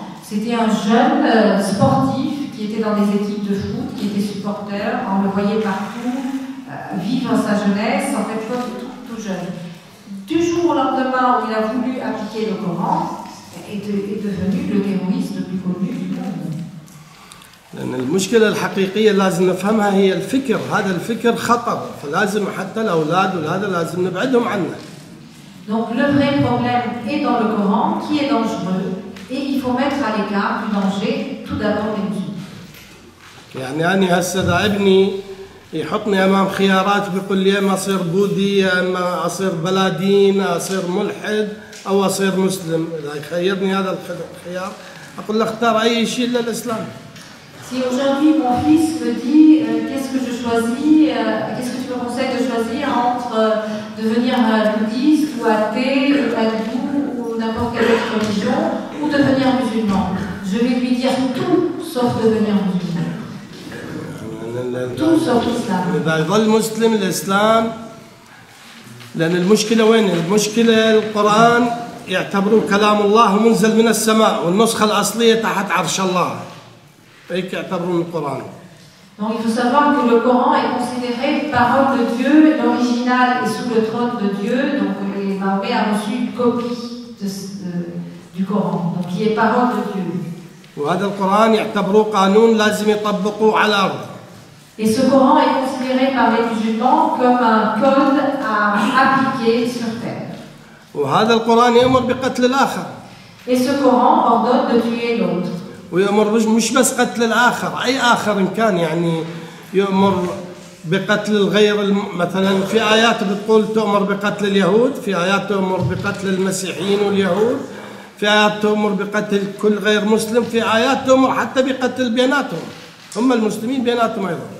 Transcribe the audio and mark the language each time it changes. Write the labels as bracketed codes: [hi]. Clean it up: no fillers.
[fr] C'était un jeune sportif qui était dans des équipes de foot, qui était supporter. On le voyait partout vivre sa jeunesse, en fait, tout jeune. Du jour au lendemain où il a voulu appliquer le Coran, est devenu le terroriste le plus connu du monde. [ar] لأن المشكلة الحقيقية لازم نفهمها هي الفكر. هذا الفكر خطر. فلازم حتى الأولاد وهذا لازم نبعدهم عنه. [fr] Donc le vrai problème est dans le Coran, qui est dangereux, et il faut mettre à l'écart du danger tout d'abord les musulmans. [ar] يعني يحطني أمام خيارات بيقول لي أما أصير بوذي أما أصير بلادين أصير ملحد أو أصير مسلم إذا يخيرني هذا الخيار أقول له اختار أي شيء إلا الإسلام. [fr] Si aujourd'hui mon fils me dit qu'est-ce que je choisis, qu'est-ce que tu me conseilles de choisir entre devenir bouddhiste ou athée, hindou ou n'importe quelle autre religion, ou devenir musulman, je vais lui dire tout sauf devenir musulman. Tout sauf l'islam. Il va être musulman, l'islam. [ar] لأن المشكلة وين؟ المشكلة القرآن يعتبروا كلام الله منزل من السماء والنسخة الأصلية تحت عرش الله. هيك يعتبروا القرآن. [fr] Donc il faut savoir que le Coran est considéré parole de Dieu, l'original est sous le trône de Dieu, donc les Mahomet a reçu une copie du Coran, donc il est parole de Dieu. [ar] وهذا القرآن يعتبروا قانون لازم يطبقوا على الأرض. [fr] Et ce Coran est considéré par les musulmans comme un code à appliquer sur terre. [ar] وهذا القرآن يأمر بقتل الآخر. [fr] Et ce Coran ordonne de tuer l'autre. [ar] ويأمر مش بس قتل الآخر، أي آخر إن كان، يعني يأمر بقتل الغير، مثلاً في آيات بتقول تأمر بقتل اليهود، في آيات تأمر بقتل المسيحيين واليهود، في آيات تأمر بقتل كل غير مسلم، في آيات تأمر حتى بقتل بيناتهم، هم المسلمين بيناتهم أيضا.